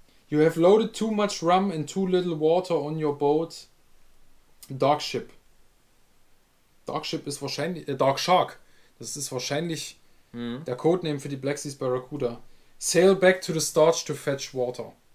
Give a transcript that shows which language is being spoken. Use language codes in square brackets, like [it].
[en] You have loaded too much rum and too little water on your boat. [de] Darkship. Darkship ist wahrscheinlich... Dark Shark. Das ist wahrscheinlich der Codename für die Black Seas Barracuda. [en] Sail back to the starch to fetch water.